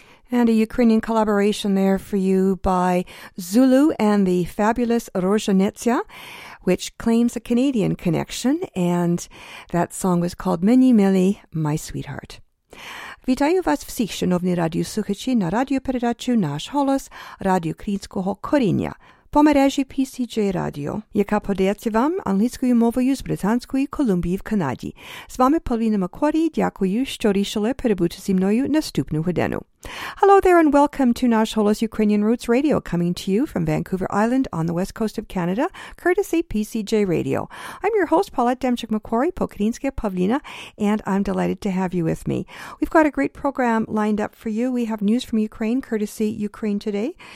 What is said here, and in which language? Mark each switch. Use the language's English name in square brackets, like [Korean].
[English] And a Ukrainian collaboration there for you by Zulu and the fabulous Rozhenitsa, which claims a Canadian connection. And that song was called Mini Milli, My Sweetheart. [Ukrainian] Вітаю вас всіх, шановні радіослухачі, на радіопередачу «Наш голос» Радіо Українського коріння по мережі PCJ Radio, яка подається вам англійською мовою з Британської Колумбії в Канаді. З вами Полина Маккорі, дякую, що рішили перебути зі мною наступну годину. [English] Hello there and welcome to Nash Holos Ukrainian Roots Radio, coming to you from Vancouver Island on the west coast of Canada, courtesy PCJ Radio. I'm your host, Paulette Demchuk-Macquarie, Pokrinska Pavlina, and I'm delighted to have you with me. We've got a great program lined up for you. We have news from Ukraine, courtesy Ukraine Today.